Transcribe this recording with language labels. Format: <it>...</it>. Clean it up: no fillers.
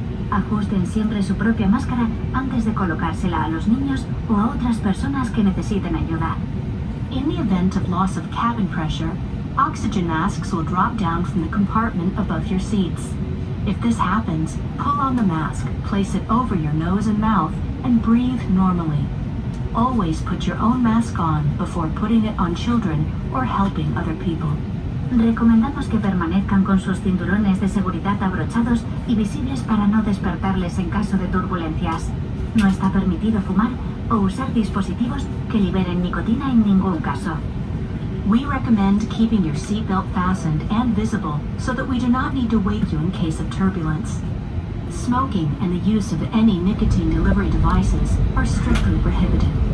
<es>Ajusten siempre su propia máscara antes de colocársela a los niños o a otras personas que necesiten ayuda.</es> <en>In the event of loss of cabin pressure, oxygen masks will drop down from the compartment above your seats. If this happens, pull on the mask, place it over your nose and mouth, and breathe normally. Always put your own mask on before putting it on children or helping other people.</en> <es>Recomendamos que permanezcan con sus cinturones de seguridad abrochados y visibles para no despertarles en caso de turbulencias. No está permitido fumar o usar dispositivos que liberen nicotina en ningún caso.</es> <en>We recommend keeping your seatbelt fastened and visible so that we do not need to wake you in case of turbulence. Smoking and the use of any nicotine delivery devices are strictly prohibited.</en>